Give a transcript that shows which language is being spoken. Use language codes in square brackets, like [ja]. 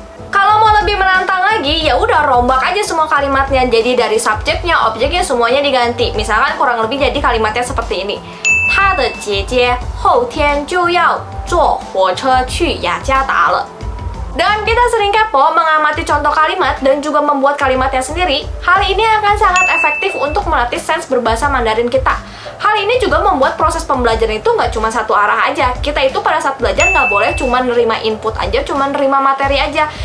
[id] Kalau mau lebih menantang lagi, ya udah rombak aja semua kalimatnya. Jadi dari subjeknya, objeknya semuanya diganti. Misalkan kurang lebih jadi kalimatnya seperti ini. [zh] 他的姐姐后天就要坐火车去雅加达了。 [id] Dan kita sering kepo mengamati contoh kalimat dan juga membuat kalimatnya sendiri. Hal ini akan sangat efektif untuk melatih sense berbahasa Mandarin kita. Hal ini juga membuat proses pembelajaran itu nggak cuma satu arah aja. Kita itu pada saat belajar nggak boleh cuma nerima input aja, cuma nerima materi aja.